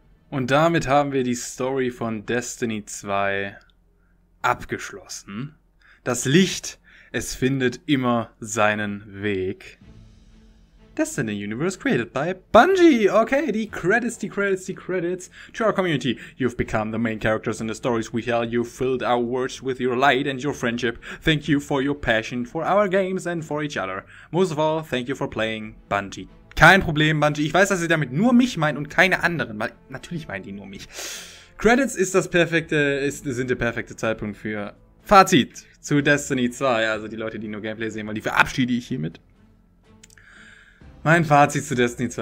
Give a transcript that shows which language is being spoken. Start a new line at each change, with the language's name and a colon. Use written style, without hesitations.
German: Und damit haben wir die Story von Destiny 2 abgeschlossen. Das Licht, es findet immer seinen Weg.
English: Destiny Universe created by Bungie. Okay,
German: die Credits.
English: To our community, you've become the main characters in the stories we tell. You filled our words with your light and your friendship. Thank you for your passion for our games and for each other. Most of all, thank you for playing Bungie.
German: Kein Problem, Bungie. Ich weiß, dass sie damit nur mich meinen und keine anderen. Natürlich meinen die nur mich. Credits ist das perfekte, sind der perfekte Zeitpunkt für Fazit zu Destiny 2. Also die Leute, die nur Gameplay sehen wollen, die verabschiede ich hiermit. Mein Fazit zu Destiny 2.